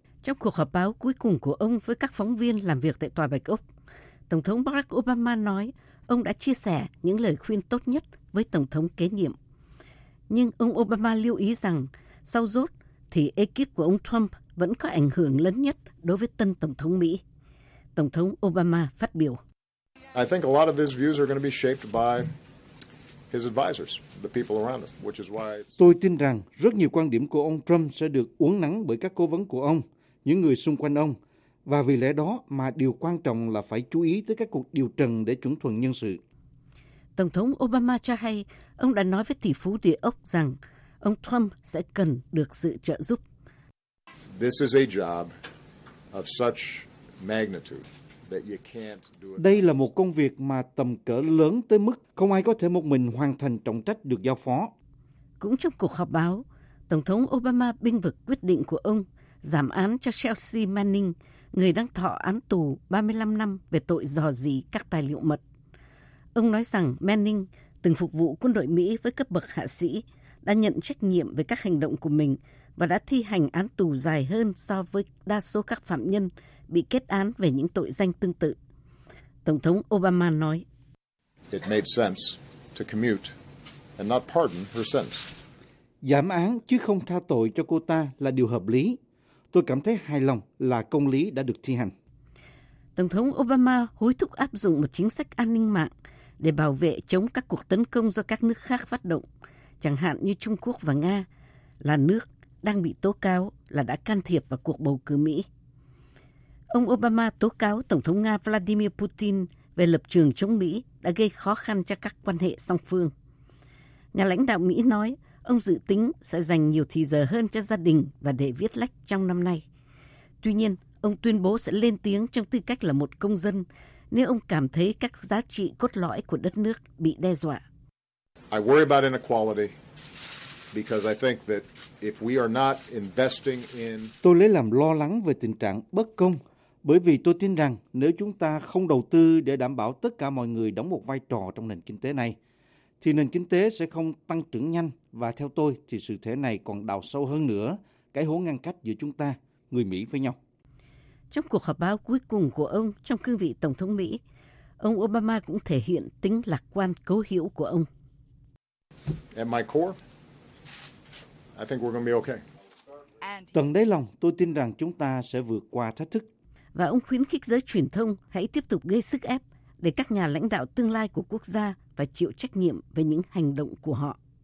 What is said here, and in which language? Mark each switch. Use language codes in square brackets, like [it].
[vi] Trong cuộc họp báo cuối cùng của ông với các phóng viên làm việc tại Tòa Bạch Ốc, Tổng thống Barack Obama nói ông đã chia sẻ những lời khuyên tốt nhất với Tổng thống kế nhiệm. Nhưng ông Obama lưu ý rằng sau rốt thì ekip của ông Trump vẫn có ảnh hưởng lớn nhất đối với tân Tổng thống Mỹ. Tổng thống Obama phát biểu. [en] I think a lot of his views are going to be shaped by his advisors, the people around him, which is why it's... [vi] Tôi tin rằng rất nhiều quan điểm của ông Trump sẽ được uống nắng bởi các cố vấn của ông, những người xung quanh ông, và vì lẽ đó mà điều quan trọng là phải chú ý tới các cuộc điều trần để chuẩn thuận nhân sự. Tổng thống Obama cho hay ông đã nói với tỷ phú Địa Ốc rằng ông Trump sẽ cần được sự trợ giúp. [en] This is a job of such magnitude. [vi] Đây là một công việc mà tầm cỡ lớn tới mức không ai có thể một mình hoàn thành trọng trách được giao phó. Cũng trong cuộc họp báo, Tổng thống Obama bênh vực quyết định của ông giảm án cho Chelsea Manning, người đang thọ án tù 35 năm về tội rò rỉ các tài liệu mật. Ông nói rằng Manning, từng phục vụ quân đội Mỹ với cấp bậc hạ sĩ, đã nhận trách nhiệm về các hành động của mình và đã thi hành án tù dài hơn so với đa số các phạm nhân bị kết án về những tội danh tương tự. Tổng thống Obama nói, [en] it made sense to commute and not pardon her sentence. [vi] Giảm án chứ không tha tội cho cô ta là điều hợp lý. Tôi cảm thấy hài lòng là công lý đã được thi hành. Tổng thống Obama hối thúc áp dụng một chính sách an ninh mạng để bảo vệ chống các cuộc tấn công do các nước khác phát động, chẳng hạn như Trung Quốc và Nga, là nước đang bị tố cáo là đã can thiệp vào cuộc bầu cử Mỹ. Ông Obama tố cáo Tổng thống Nga Vladimir Putin về lập trường chống Mỹ đã gây khó khăn cho các quan hệ song phương. Nhà lãnh đạo Mỹ nói ông dự tính sẽ dành nhiều thời giờ hơn cho gia đình và để viết lách trong năm nay. Tuy nhiên, ông tuyên bố sẽ lên tiếng trong tư cách là một công dân nếu ông cảm thấy các giá trị cốt lõi của đất nước bị đe dọa. [en] I worry about inequality because I think that if we are not investing in... [vi] Tôi lấy làm lo lắng về tình trạng bất công, bởi vì tôi tin rằng nếu chúng ta không đầu tư để đảm bảo tất cả mọi người đóng một vai trò trong nền kinh tế này, thì nền kinh tế sẽ không tăng trưởng nhanh và theo tôi thì sự thể này còn đào sâu hơn nữa cái hố ngăn cách giữa chúng ta, người Mỹ với nhau. Trong cuộc họp báo cuối cùng của ông trong cương vị Tổng thống Mỹ, ông Obama cũng thể hiện tính lạc quan cấu hữu của ông. [en] At my core, I think we're going to be okay. [vi] Tận đáy lòng, tôi tin rằng chúng ta sẽ vượt qua thách thức. Và ông khuyến khích giới truyền thông hãy tiếp tục gây sức ép để các nhà lãnh đạo tương lai của quốc gia phải chịu trách nhiệm về những hành động của họ.